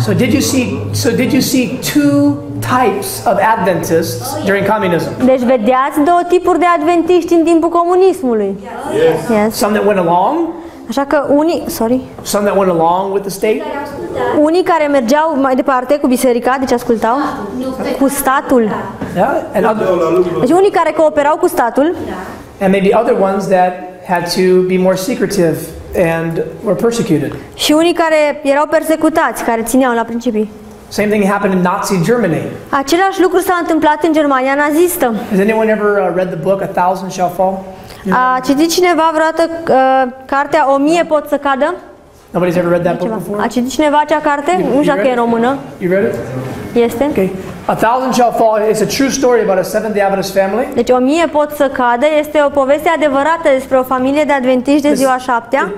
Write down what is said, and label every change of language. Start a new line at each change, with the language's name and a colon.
English: So did you see two types of Adventists during communism?
Romanian: Deci vedeați două tipuri de adventiști în timpul comunismului.
English: Yes. Some that went along.
Romanian: Așa că unii, sorry.
English: Some that went along with the state.
Romanian: Unii care mergeau mai departe cu biserica, deci ascultau cu statul.
English: Yeah,
Romanian: deci unii care cooperau cu statul.
English: And maybe other ones that had to be more secretive and were persecuted.
Romanian: Și unii care erau persecutați, care țineau la principii.
English: Same thing happened in Nazi Germany.
Romanian: Același lucru s-a întâmplat în Germania nazistă.
English: Has anyone ever read the book A Thousand Shall Fall?
Romanian: A citit cineva vreodată cartea O mie pot să cadă?
English: Nobody's ever read that book before?
Romanian: A citit cineva acea carte? Nu știu dacă e română.
English: You read it?
Romanian: Este.
English: Okay. A Thousand Shall Fall is a true story about a Seventh-day Adventist family.
Romanian: Deci O mie pot să cadă este o poveste adevărată despre o familie de adventiști de ziua șaptea.